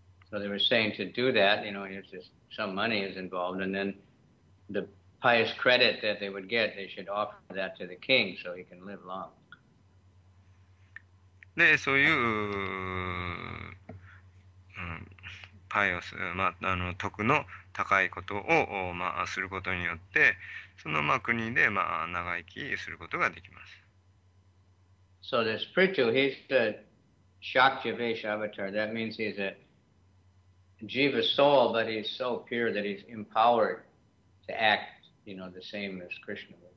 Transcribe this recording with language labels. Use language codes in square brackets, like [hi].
[en] So they were saying to do that, you know, it's just some money is involved, and then the pious credit that they would get, they should offer that to the king so he can live long. [ja] で、そういう、パイオス、まあ、徳の高いことを、まあ、することによって、その、まあ、国で、まあ、長生きすることができます。 [en] So this Prithu, he's the Shakyavesha avatar. That means he's a Jiva soul, but he's so pure that he's empowered to act, you know, the same as Krishna.